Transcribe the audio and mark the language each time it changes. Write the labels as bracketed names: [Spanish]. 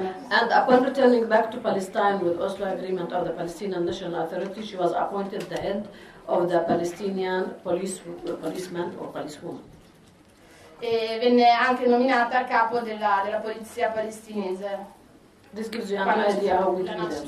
[English] And upon returning back to Palestine with Oslo Agreement of the Palestinian National Authority, she was appointed the head of the Palestinian policeman or policewoman. [Italian] E venne anche nominata a capo della polizia palestinese. [English] This gives you an idea how we did it.